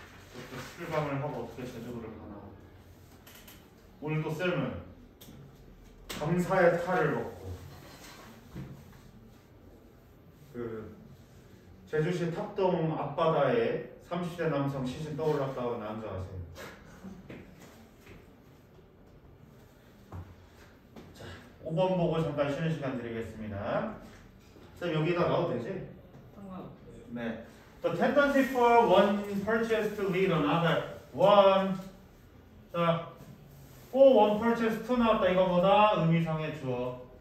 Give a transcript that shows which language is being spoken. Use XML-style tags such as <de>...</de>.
<ko>어떻게 출방을 하고 어떻게 제주도를 가나. 오늘 또 쌤은 감사의 탈을 얻고 그 제주시 탑동 앞바다에 30대 남성 시신 떠올랐다고 남자 아세요? 5번 보고 잠깐 쉬는 시간 드리겠습니다. 선생님 여기다 넣어도 되지? 상관없어요. 네.</ko> <en>The tendency for one purchase to lead another. One.</en> <ko>자, 꼭</ko> <en>one purchase to</en> <ko>나왔다. 이거 뭐다? 의미상의 주어.</ko>